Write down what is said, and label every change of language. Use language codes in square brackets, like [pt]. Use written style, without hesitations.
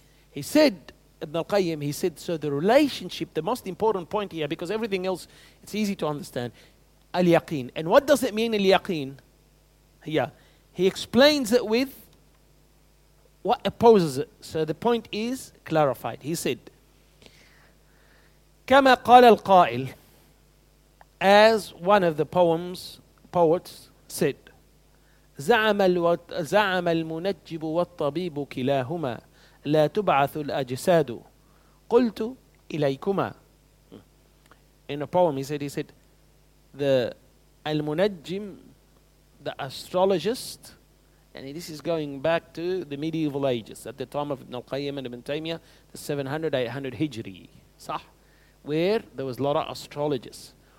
[en] He said, Ibn al-Qayyim, he said, so the relationship, the most important point here, because everything else, it's easy to understand, al-yaqin. And what does it mean, al-yaqin? Here, he explains it with what opposes it. So the point is clarified. He said, [ar] كما قال القائل, [en] as one of the poets said, [ar] زعم المنجب والطبيب كلاهما لا تبعث الأجساد قلت إليكما. [en] In a poem he said, the المنجم, the astrologist, and this is going back to the medieval ages, at the time of Ibn al-Qayyim and Ibn Taymiyyah, the 700-800 Hijri, صح, where there was a lot of astrologists.